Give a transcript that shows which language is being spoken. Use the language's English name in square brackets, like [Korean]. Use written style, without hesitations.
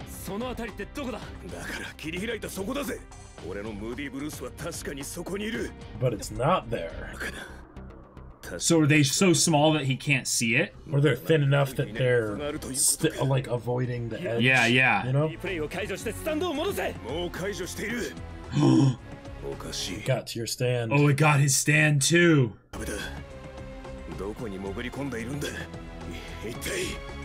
[Japanese] そのあたりってどこだ。だから切り開いたそこだぜ。俺のムーディーブルースは確かにそこにいる。 [English] But it's not there. So are they so small that he can't see it? Or they're thin enough that they're like avoiding the edge? Yeah, yeah. You know? [Japanese] プレイを解除してスタンドを戻せ。もう解除している。おかしい。 [English] Got to your stand. Oh, it got his stand too. [Japanese] どこに潜り込んでいるんだ。一体。